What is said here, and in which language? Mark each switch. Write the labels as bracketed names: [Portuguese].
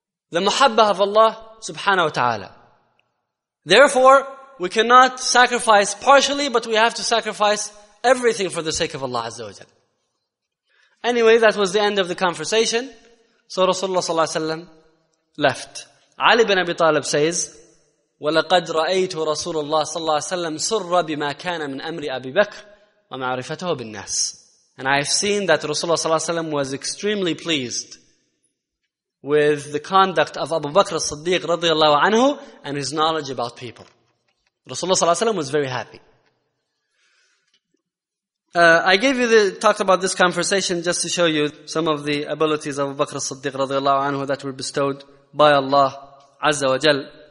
[English] The muhabbah of Allah subhanahu wa ta'ala. Therefore, we cannot sacrifice partially, but we have to sacrifice everything for the sake of Allah Azza wa Jal. Anyway, that was the end of the conversation. So Rasulullah sallallahu alayhi wa sallam left. Ali ibn Abi Talib says, [Arabic] وَلَقَدْ رَأَيْتُ رَسُولُ اللَّهِ صَلَّى اللَّهِ سَلَّمْ سُرَّ بِمَا كَانَ مِنْ أَمْرِ أَبِي بَكْرِ وَمَعْرِفَتَهُ بِالنَّاسِ. [English] And I have seen that Rasulullah sallallahu alayhi wa sallam was extremely pleased with the conduct of Abu Bakr as-Siddiq radiallahu anhu and his knowledge about people. Rasulullah sallallahu alayhi wa sallam was very happy. I gave you the talk about this conversation just to show you some of the abilities of Abu Bakr as-Siddiq radiallahu anhu that were bestowed by Allah Azza wa Jal.